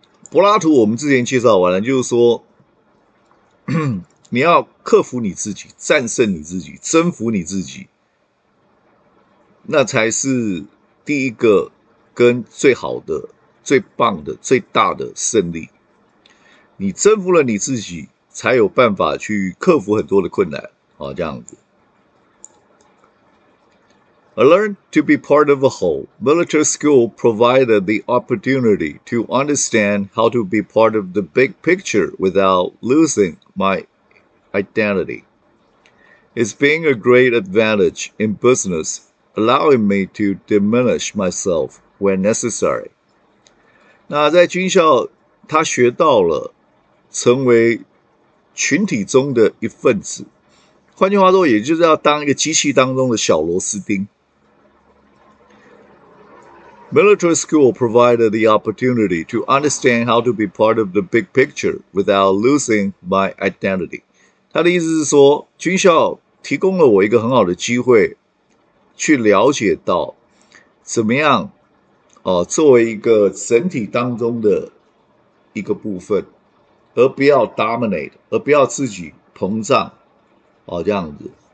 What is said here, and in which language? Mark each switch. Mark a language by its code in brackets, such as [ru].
[zh] 柏拉图我们之前介绍完了，就是说你要克服你自己，战胜你自己，征服你自己，那才是第一个跟最好的、最棒的、最大的胜利。你征服了你自己，才有办法去克服很多的困难，这样子。 [en] I learned to be part of a whole. Military school provided the opportunity to understand how to be part of the big picture without losing my identity. It's been a great advantage in business, allowing me to diminish myself when necessary. [zh] 那在军校，他学到了成为群体中的一份子。换句话说，也就是要当一个机器当中的小螺丝钉。 [en] Military school provided the opportunity to understand how to be part of the big picture without losing my identity. [zh] 他的意思是说，军校提供了我一个很好的机会，去了解到怎么样，作为一个整体当中的一个部分，而不要 dominate， 而不要自己膨胀，这样子。